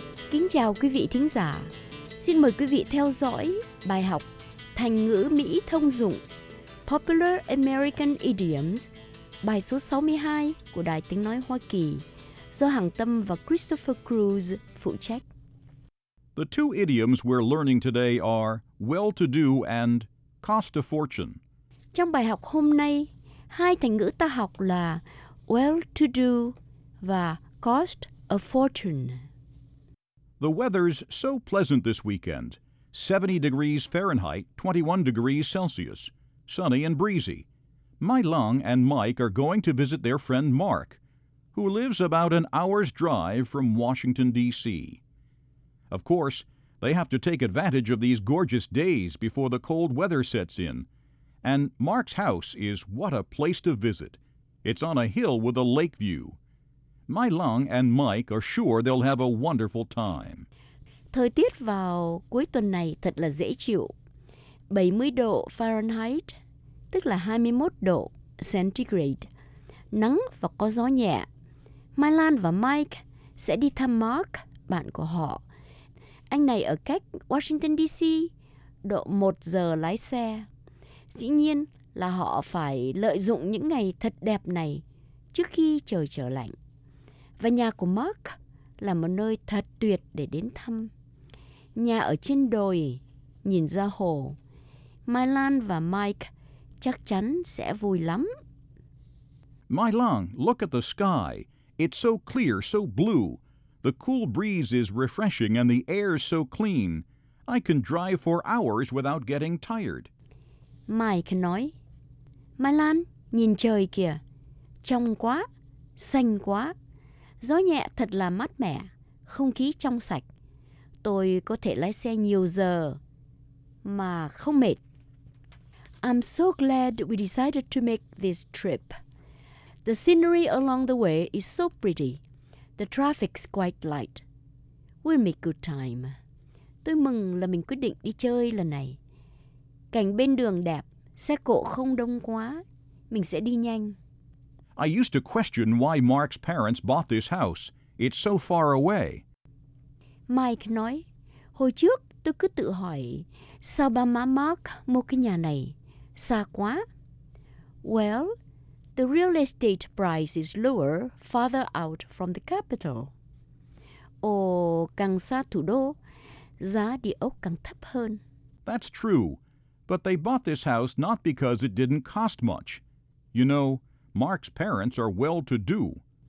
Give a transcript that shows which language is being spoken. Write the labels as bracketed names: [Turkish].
[Vietnamese] Kính chào quý vị thính giả. Xin mời quý vị theo dõi bài học thành ngữ Mỹ thông dụng [English] Popular American Idioms, [Vietnamese] bài số 62 của Đài Tiếng Nói Hoa Kỳ, do Hằng Tâm và Christopher Cruz phụ trách. [English] The two idioms we're learning today are well-to-do and cost a fortune. [Vietnamese] Trong bài học hôm nay, hai thành ngữ ta học là well-to-do và cost a fortune. [English] The weather's so pleasant this weekend. 70 degrees Fahrenheit, 21 degrees Celsius. Sunny and breezy. My Lung and Mike are going to visit their friend Mark, who lives about an hour's drive from Washington, D.C. Of course, they have to take advantage of these gorgeous days before the cold weather sets in. And Mark's house is what a place to visit. It's on a hill with a lake view. My Lung and Mike are sure they'll have a wonderful time. [Vietnamese] Thời tiết vào cuối tuần này thật là dễ chịu. 70 độ Fahrenheit, tức là 21 độ Centigrade. Nắng và có gió nhẹ. My Lung và Mike sẽ đi thăm Mark, bạn của họ. Anh này ở cách Washington DC, độ 1 giờ lái xe. Dĩ nhiên là họ phải lợi dụng những ngày thật đẹp này trước khi trời trở lạnh. Và nhà của Mark là một nơi thật tuyệt để đến thăm. Nhà ở trên đồi, nhìn ra hồ. My Lung và Mike chắc chắn sẽ vui lắm. [English] My Lung, look at the sky. It's so clear, so blue. The cool breeze is refreshing and the air is so clean. I can drive for hours without getting tired. [Vietnamese] Mike nói, My Lung, nhìn trời kìa. Trong quá, xanh quá. Gió nhẹ thật là mát mẻ, không khí trong sạch. Tôi có thể lái xe nhiều giờ mà không mệt. [English] I'm so glad we decided to make this trip. The scenery along the way is so pretty. The traffic's quite light. We'll make good time. [Vietnamese] Tôi mừng là mình quyết định đi chơi lần này. Cảnh bên đường đẹp, xe cộ không đông quá. Mình sẽ đi nhanh. [English] I used to question why Mark's parents bought this house. It's so far away. [Vietnamese] Mike nói, hồi trước tôi cứ tự hỏi, sao ba má Mark mua cái nhà này? Xa quá. [English] Well, the real estate price is lower farther out from the capital. [Vietnamese] Ồ, càng xa thủ đô, giá địa ốc càng thấp hơn. [English] That's true. But they bought this house not because it didn't cost much. You know, Mark's parents are well-to-do.